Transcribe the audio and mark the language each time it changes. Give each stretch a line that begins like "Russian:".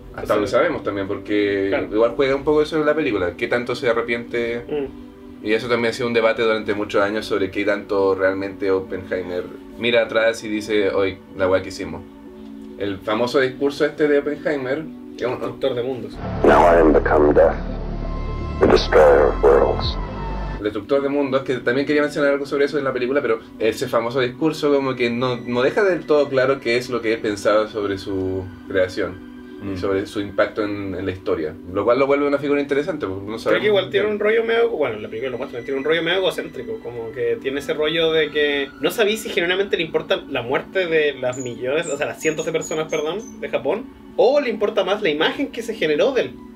Spanish: Hasta lo sabemos también, porque claro. Igual juega un poco eso en la película, qué tanto se arrepiente... Y eso también ha sido un debate durante muchos años sobre qué tanto realmente Oppenheimer mira atrás y dice, hoy la weá que hicimos. El famoso discurso este de Oppenheimer, que es un doctor de mundos.
English: Now I am become death, the destroyer of worlds.
Spanish: El destructor de mundos, que también quería mencionar algo sobre eso en la película, pero ese famoso discurso como que no deja del todo claro qué es lo que él pensaba sobre su creación. Y sobre su impacto en la historia, lo cual lo vuelve una figura interesante. Porque no creo que igual tiene un rollo medio, bueno, en la película lo muestran, tiene un rollo medio egocéntrico, como que tiene ese rollo de que no sabía si genuinamente le importa la muerte de las millones, o sea, las cientos de personas, perdón, de Japón, o le importa más la imagen que se generó de él.